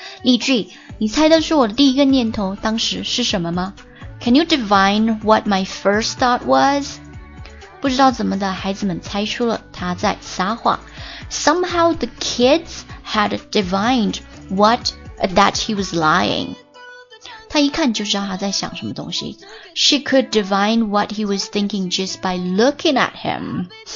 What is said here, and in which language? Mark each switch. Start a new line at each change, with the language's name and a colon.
Chinese: 例句你猜得出我的第一个念头当时是什么吗 ?
English: Can you divine what my first thought was?
Chinese: 不知道怎么的孩子们猜出了他在撒谎。
English: Somehow the kids had divined what that he was lying.
Chinese: 他一看就知道他在想什么东西。
English: She could divine what he was thinking just by looking at him.